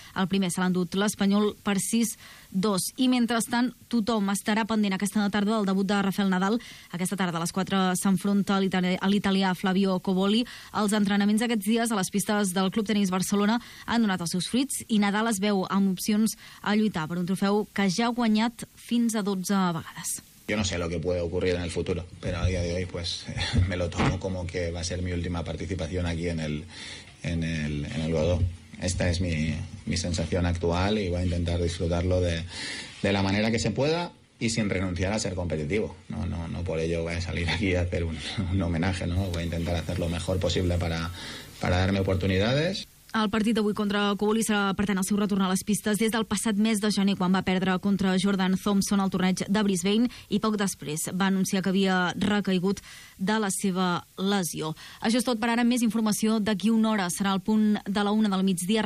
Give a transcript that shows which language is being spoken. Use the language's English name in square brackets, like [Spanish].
[Catalan] El primer se l'ha endut l'espanyol per 6-2. I mentrestant, tothom estarà pendent aquesta tarda del debut de Rafael Nadal. Aquesta tarda a les 4 s'enfronta a l'italià Flavio Covoli. Els entrenaments d'aquests dies a les pistes del Club Tenis Barcelona han donat els seus fruits i Nadal es veu amb opcions a lluitar per un trofeu que ja ha guanyat fins a 12 vegades. [Spanish] Yo no sé lo que puede ocurrir en el futuro, pero a día de hoy pues me lo tomo como que va a ser mi última participación aquí en el Godó. Esta es mi sensación actual y voy a intentar disfrutarlo de la manera que se pueda y sin renunciar a ser competitivo. No por ello voy a salir aquí a hacer un homenaje, ¿no? Voy a intentar hacer lo mejor posible para darme oportunidades. [Catalan] El partit d'avui contra Covoli serà, per tant, el seu retorn a les pistes des del passat mes de gener, quan va perdre contra Jordan Thompson al torneig de Brisbane, i poc després va anunciar que havia recaigut de la seva lesió. Això és tot per ara. Més informació d'aquí una hora. Serà el punt de la una del migdia.